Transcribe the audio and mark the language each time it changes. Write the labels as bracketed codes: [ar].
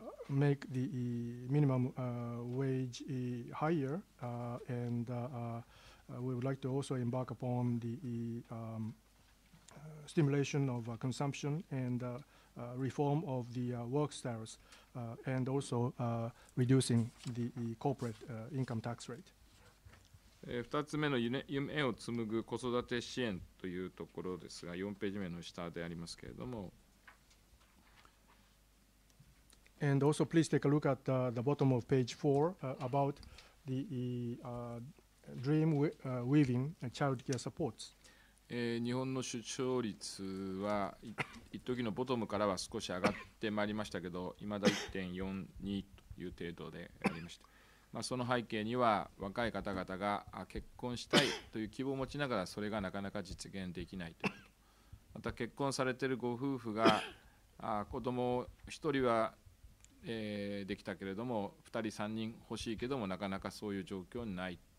[en] make the minimum wage higher and we would like to also embark upon the stimulation of consumption and reform of the work status and also reducing the corporate income tax rate. [ja] 2つ目の夢を紡ぐ子育て支援というところですが、4ページ目の下でありますけれども、 [en] And also, please take a look at the bottom of page 4 about the dream weaving child care supports. [ja] 日本の出生率は一時のボトムからは少し上がってまいりましたけど、いまだ 1.42 という程度でありました。まあ、その背景には若い方々が結婚したいという希望を持ちながら、それがなかなか実現できないということ、また結婚されているご夫婦が子供を1人はできたけれども2人3人欲しいけどもなかなかそういう状況にない、